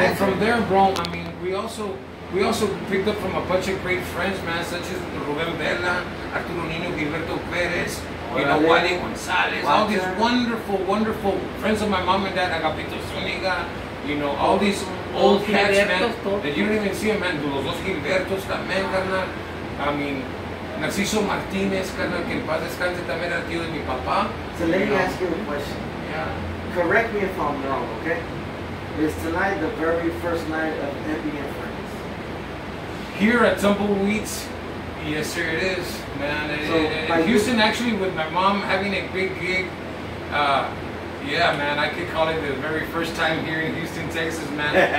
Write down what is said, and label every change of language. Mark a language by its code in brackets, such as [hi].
[en] And then from there, bro, I mean, we also picked up from a bunch of great friends, man, such as Rubén Vela, Arturo Niño, Gilberto Pérez, you know, Wally González, all these wonderful, wonderful friends of my mom and dad, Agapito Zuniga, you know, all these old cats, man, that you don't even see, man, [es] los dos Gilbertos también, carnal. [en] I mean, [es] Narciso Martínez, carnal, que en paz descanse, también era tío de mi papá. [en] So let me ask you a question. Yeah. Correct me if I'm wrong, okay? Is tonight the very first night of Epi and Friends? Here at Tumbleweeds, yes, sir, it is, man. So, Houston, actually, with my mom having a big gig, yeah, man, I could call it the very first time here in Houston, Texas, man.